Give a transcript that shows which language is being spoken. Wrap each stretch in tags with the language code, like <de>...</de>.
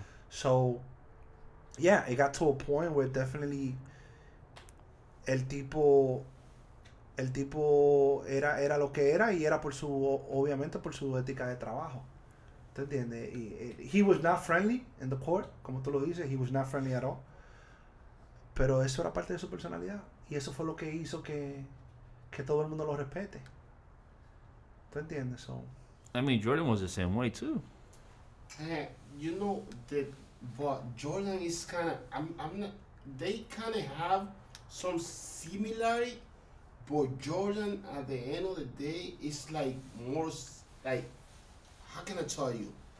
<en>So, yeah, it got to a point where definitely</en> <es>el tipo era lo que era, y era por su, obviamente por su ética de trabajo. ¿Te entiendes?</es> <en>He was not friendly in the court,</en> <es>como tú lo dices,</es> <en>he was not friendly at all.</en> <es>Pero eso era parte de su personalidad, y eso fue lo que hizo que todo el mundo lo respete. ¿Te entiendes? So,</es> <en>I mean, Jordan was the same way too. You know, but Jordan is kind of, they kind of have some similarity, but Jordan at the end of the day is like more, like, how can I tell you?</en>